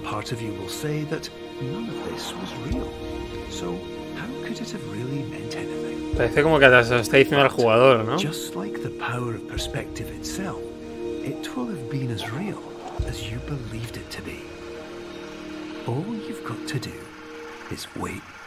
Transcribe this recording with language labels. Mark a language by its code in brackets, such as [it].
[en] Of you will say that none of this was real. So how could it have really meant anything? [es] Parece como que te está diciendo al jugador, ¿no? [en] Just like the power of perspective itself, it will have been as real as you believed it to be. All you've got to do is wait